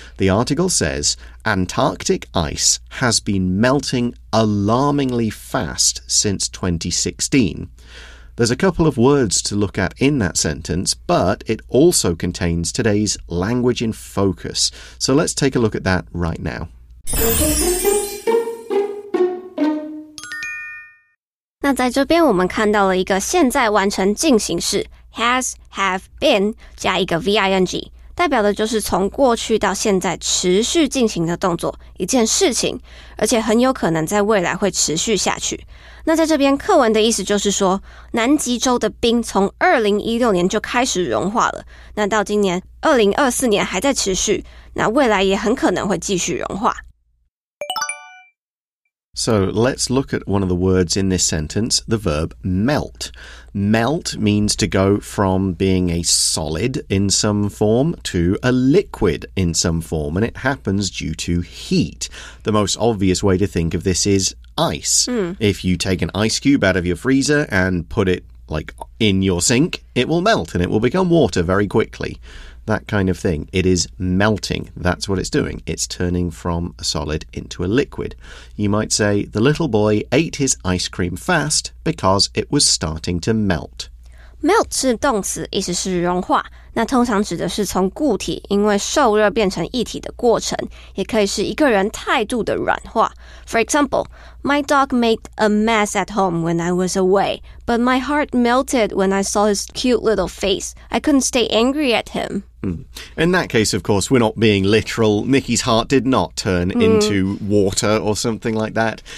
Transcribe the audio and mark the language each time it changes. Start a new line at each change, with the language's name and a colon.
English: The article says, Antarctic ice has been melting alarmingly fast since 2016. There's a couple of words to look at in that sentence, but it also contains today's language in focus. So let's take a look at that right now.
Chinese: 那在这边我们看到了一个现在完成进行式。 Has, have, been, 加一个 V-I-N-G, 代表的就是从过去到现在持续进行的动作，一件事情，而且很有可能在未来会持续下去。那在这边课文的意思就是说，南极洲的冰从2016年就开始融化了，那到今年2024年还在持续，那未来也很可能会继续融化。
English: So let's look at one of the words in this sentence, the verb melt. Melt means to go from being a solid in some form to a liquid in some form, and it happens due to heat. The most obvious way to think of this is ice. If you take an ice cube out of your freezer and put it, like, in your sink, it will melt and it will become water very quickly. That kind of thing. It is melting. That's what it's doing. It's turning from a solid into a liquid. You might say, the little boy ate his ice cream fast because it was starting to melt.
Chinese: Melt 是动词，意思是融化。那通常指的是从固体因为受热变成液体的过程，也可以是一个人态度的软化。
English: For example, my dog made a mess at home when I was away, but my heart melted when I saw his cute little face. I couldn't stay angry at him. In that case, of course, we're not being literal. Nikki's heart did not turn into water or something like that.